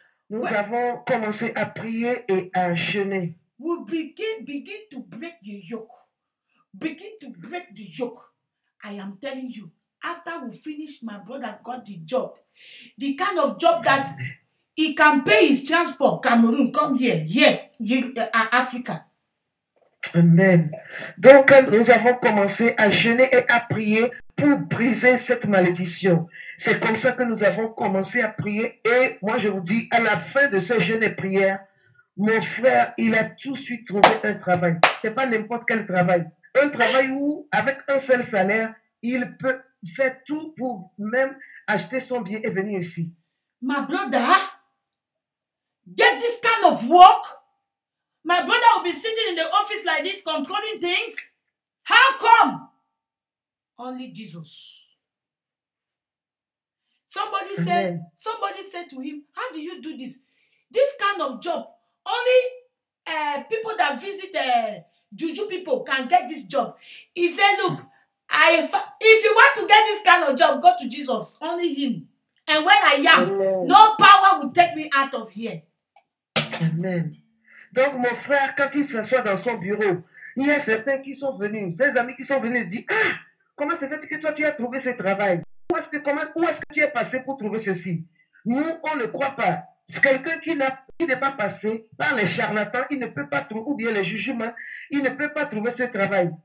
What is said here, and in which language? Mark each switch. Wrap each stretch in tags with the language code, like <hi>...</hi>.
<fr>Nous avons commencé à prier et à jeûner.</fr> <en>We begin to break the yoke. Begin to break the yoke. I am telling you, after we finish, my brother got the job. The kind of job that he can pay his transport. Cameroon, come here, Africa. Amen.</en> <fr>Donc, nous avons commencé à jeûner et à prier pour briser cette malédiction. C'est comme ça que nous avons commencé à prier. Et moi, je vous dis, à la fin de ce jeûne et prière, mon frère, il a tout de suite trouvé un travail. Ce n'est pas n'importe quel travail. Un travail où, avec un seul salaire, il peut faire tout pour même acheter son bien et venir ici.</fr> <en>My brother, get this kind of work. My brother will be sitting in the office like this, controlling things. How come? Only Jesus. Somebody said to him, how do you do this? This kind of job, only people that visit Juju people can get this job. He said, look, if you want to get this kind of job, go to Jesus, only him. And when I am, no power will take me out of here. Amen.</en> <fr>Donc, mon frère, quand il s'assoit dans son bureau, il y a certains qui sont venus, ses amis qui sont venus, dit, ah, comment se fait-il que toi, tu as trouvé ce travail? Où est-ce que tu es passé pour trouver ceci? Nous, on ne croit pas. C'est quelqu'un qui n'est pas passé par les charlatans, il ne peut pas trouver, ou bien les jugements, il ne peut pas trouver ce travail.</fr>